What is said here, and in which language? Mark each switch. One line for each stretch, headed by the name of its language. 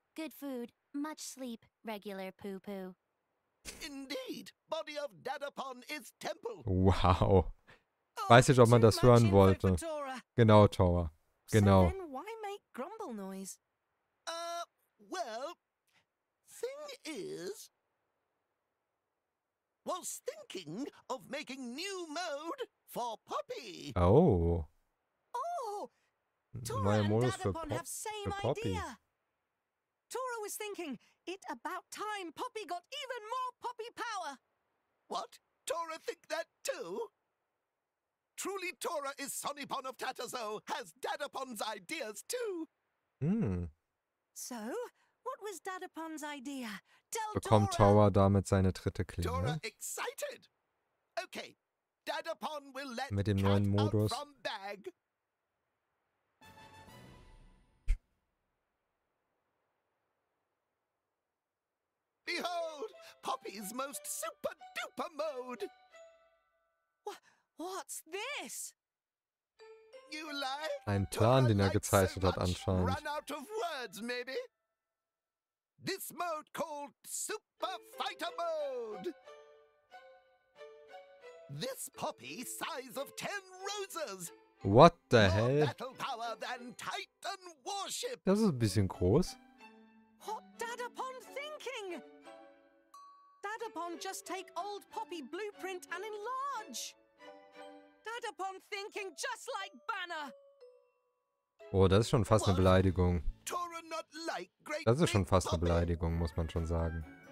English: Good food, much sleep, regular poo poo. Indeed, body of Dadapon is temple. Wow.
German: Weiß nicht, ob man das hören wollte. Genau, Tora. Genau.
English: So then, why make grumble noise? Well. Thing is, was thinking of making new mode for Poppy. Oh. Oh. Tora and Dadapon have same idea. Tora was thinking it about time Poppy got even more Poppy power. What? Tora think that too? truly Tora is Sonipon of Tatazo, has Dadapon's ideas too. Hmm. So, what was Dadapon's idea? Tell Tora.
German: Bekommt Tora damit seine dritte Klinge?
English: Tora excited. Okay. Dadapon will let
German: mit dem neuen Modus.
English: From bag. Behold, Poppy's most super duper mode. What's this? You like?
German: Ein Plan, den er gezeichnet hat, anscheinend.
English: Run out of words, maybe. This mode called Super Fighter Mode. This Poppy size of 10 roses. What the hell? More battle power than Titan Warship.
German: Das ist ein bisschen groß.
English: What Dadapon thinking? Dadapon just take old Poppy blueprint and enlarge. Dadapon thinking just like Banner.
German: Oh, das ist schon fast eine Beleidigung.
English: Tora not like great.
German: Das ist schon fast eine Beleidigung, muss man schon sagen.